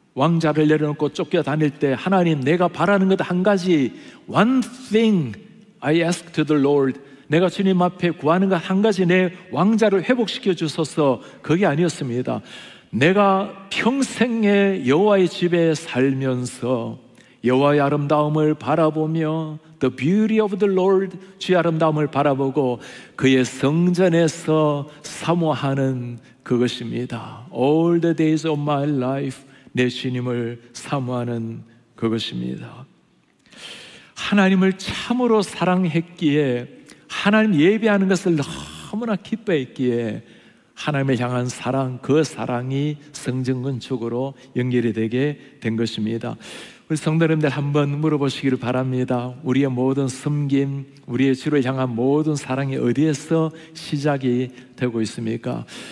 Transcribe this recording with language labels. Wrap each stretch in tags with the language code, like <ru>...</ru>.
<ko>왕좌를 내려놓고 쫓겨다닐 때 하나님 내가 바라는 것 한 가지,</ko> <en>One thing I ask to the Lord,</en> <ko>내가 주님 앞에 구하는 것 한 가지 내 왕좌를 회복시켜 주소서, 그게 아니었습니다. 내가 평생에 여호와의 집에 살면서 여호와의 아름다움을 바라보며</ko> <en>The beauty of the Lord,</en> <ko>주의 아름다움을 바라보고 그의 성전에서 사모하는 그것입니다.</ko> <en>All the days of my life,</en> <ko>내 주님을 사모하는 그것입니다. 하나님을 참으로 사랑했기에 하나님 예배하는 것을 너무나 기뻐했기에 하나님을 향한 사랑, 그 사랑이 성전 건축으로 연결이 되게 된 것입니다. 우리 성도 여러분들 한번 물어보시기를 바랍니다. 우리의 모든 섬김, 우리의 주를 향한 모든 사랑이 어디에서 시작이 되고 있습니까?</ko>